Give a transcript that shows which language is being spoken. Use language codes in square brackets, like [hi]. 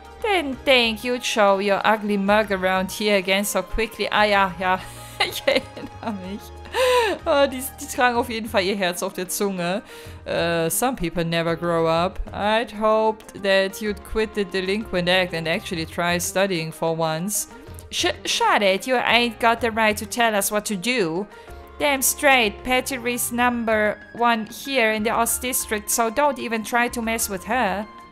[en] Didn't think you'd show your ugly mug around here again so quickly. [de] Ah ja, ja. Ich erinnere mich. Oh, die tragen auf jeden Fall ihr Herz auf der Zunge. [en] Some people never grow up. I'd hoped that you'd quit the delinquent act and actually try studying for once. Shut it, you ain't got the right to tell us what to do. Damn straight, Pattery's number one here in the Ost District, so don't even try to mess with her.